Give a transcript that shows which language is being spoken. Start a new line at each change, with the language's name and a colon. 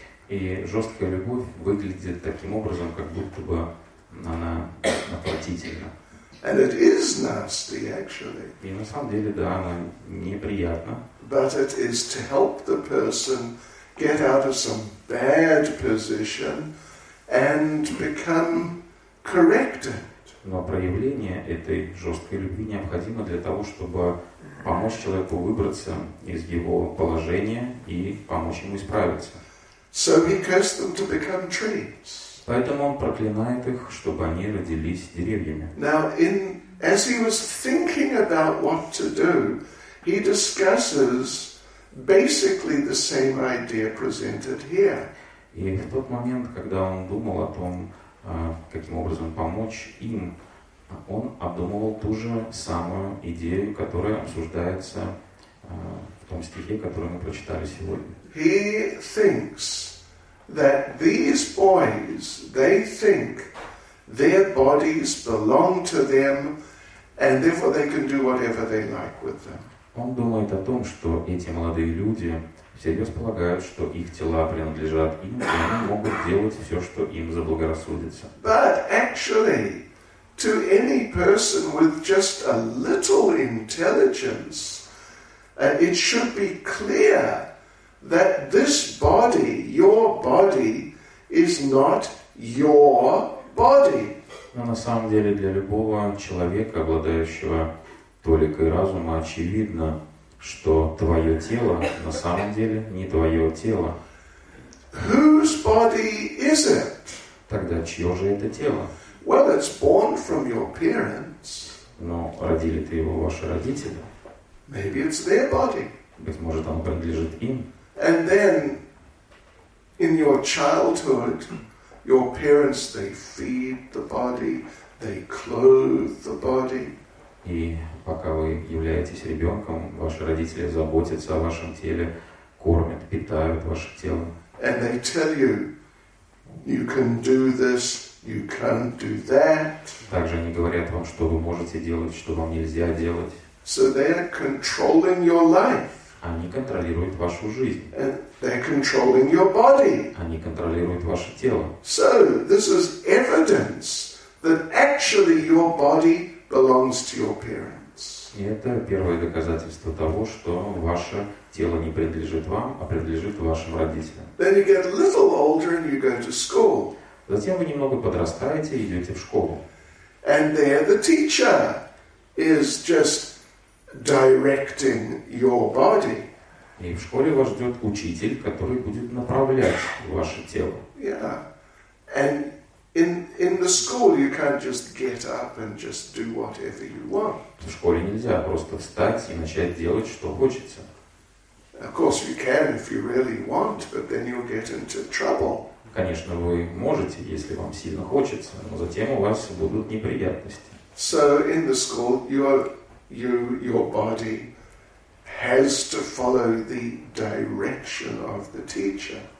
Russian: И жесткая любовь выглядит таким образом, как будто бы она отвратительна.
English: And it is nasty, actually.
Russian: И на самом деле, да, она неприятна.
English: But it is to help the person get out of some bad position and become corrected.
Russian: Но проявление этой жесткой любви необходимо для того, чтобы помочь человеку выбраться из его положения и помочь ему исправиться.
English: So he cursed them to become trees.
Russian: Поэтому он проклинает их, чтобы они родились деревьями.
English: Now, in, as he was thinking about what to do, he discusses basically the same idea presented here.
Russian: И в тот момент, когда он думал о том, каким образом помочь им, он обдумывал ту же самую идею, которая обсуждается в том стихе, который мы прочитали сегодня.
English: He thinks that these boys, they think their bodies belong to them, and therefore they can do whatever they like with them.
Russian: Он думает о том, что эти молодые люди всерьез полагают, что их тела принадлежат им, и они могут делать все, что им заблагорассудится.
English: But actually, to any person with just a little intelligence, it should be clear that this body, your body, is not your body.
Russian: Но на самом деле для любого человека, обладающего толикой разума, очевидно, что твое тело на самом деле не твое тело.
English: Whose body is it?
Russian: Тогда чье же это тело?
English: Well, it's born from your parents.
Russian: Но родили ты его ваши родители.
English: Maybe it's their body.
Russian: Быть может, оно принадлежит им.
English: And then, in your childhood, your parents, they feed the body, they clothe the body.
Russian: И пока вы являетесь ребенком, ваши родители заботятся о вашем теле, кормят, питают ваше тело.
English: And they tell you, you can do this, you can't do that.
Russian: Также они говорят вам, что вы можете делать, что вам нельзя делать.
English: So they're controlling your life.
Russian: Они контролируют вашу жизнь.
English: And they're controlling your body.
Russian: Они контролируют ваше тело.
English: So this is evidence that actually your body belongs to your parents.
Russian: И это первое доказательство того, что ваше тело не принадлежит вам, а принадлежит вашим родителям.
English: Then you get a little older and you go to school.
Russian: Затем вы немного подрастаете и идете в школу.
English: And there the teacher is just directing your body.
Russian: И в школе вас ждет учитель, который будет направлять ваше тело.
English: Yeah. And in the school you can't just get up and just do whatever you want.
Russian: В школе нельзя просто встать и начать делать, что хочется.
English: Of course you can if you really want, but then you'll get into trouble.
Russian: Конечно, вы можете, если вам сильно хочется, но затем у вас будут неприятности.
English: So in the school your body has to follow the direction of the teacher.